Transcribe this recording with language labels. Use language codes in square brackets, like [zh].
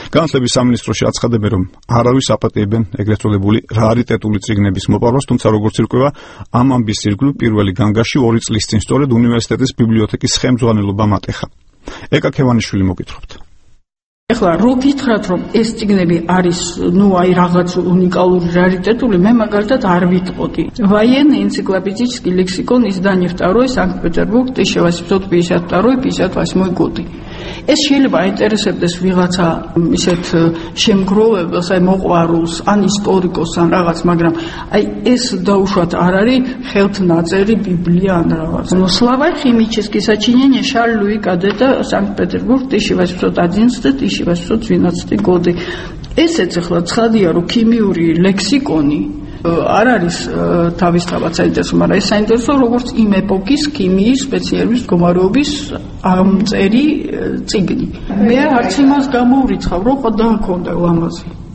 [ka] განათლების სამინისტროში აცხადებენ, რომ არავის აპატიებენ ეგრეთ წოდებული რარიტეტული წიგნების მოპარვას, თუმცა როგორც ირკვევა, ამ ამბის ირგვლივ პირველი განგაში ორი წლის წინ სწორედ უნივერსიტეტის ბიბლიოთეკის ხელმძღვანელობა მატეხა. ეკა ქევანიშვილი მოგვითხრობთ. ახლა რო გითხრათ, რომ ეს წიგნები არის, ну, აი რაღაც უნიკალური რარიტეტული, მე მაგალითად არ ვიტყოდი. [ru] Военный энциклопедический лексикон издания второй Санкт-Петербург 1852-58 годы. [ka] ეს შეიძლება აინტერესებდეს ვიღაცა ისეთ შემგროვებელს, აი მოყვარულს, ან ისტორიკოსს, ან რაღაც, მაგრამ აი ეს დაუშვათ არ არის ხელთნაწერი ბიბლია ან რაღაც. [ru] Но слова химические сочинения Шарль Луи Кадета Санкт-Петербург 1811-1812 годы. [ka] ესეც ახლა ცხადია, რომ ქიმიური ლექსიკონი არ არის თავისთავად საინტერესო, მაგრამ ეს საინტერესო როგორც იმ ეპოქის ქიმიის სპეციალისტების მდგომარეობის ამწერი წიგნი. მე არც იმას გამოვრიცხავ, რომ ყდა ჰქონდა ლამაზი.